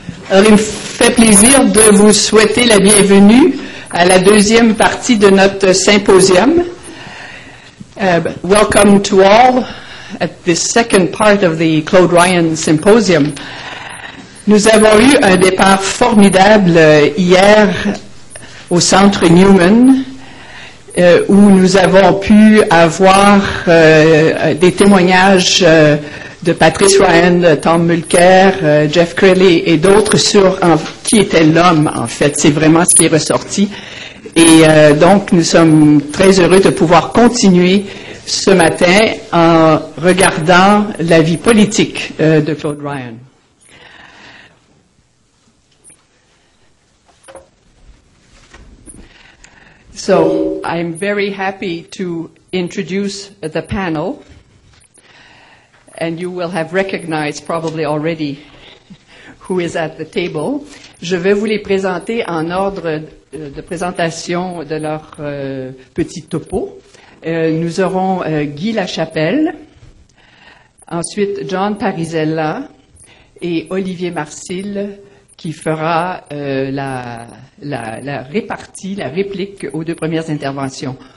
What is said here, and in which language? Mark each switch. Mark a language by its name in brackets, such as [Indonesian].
[French] Alors, il me fait plaisir de vous souhaiter la bienvenue à la deuxième partie de notre symposium. [English] Welcome to all at the second part of the Claude Ryan Symposium. [French] Nous avons eu un départ formidable hier au Centre Newman, où nous avons pu avoir des témoignages de Patrice Ryan, Tom Mulcair, Jeff Crilly et d'autres sur qui était l'homme, en fait. C'est vraiment ce qui est ressorti. Et donc, nous sommes très heureux de pouvoir continuer ce matin en regardant la vie politique de Claude Ryan. [English] So, I'm very happy to introduce the panel. And you will have recognized probably already who is at the table. [French] Je vais vous les présenter en ordre de présentation de leur petit topo. Nous aurons Guy Lachapelle, ensuite John Parisella et Olivier Marcil qui fera la répartie, la réplique aux deux premières interventions.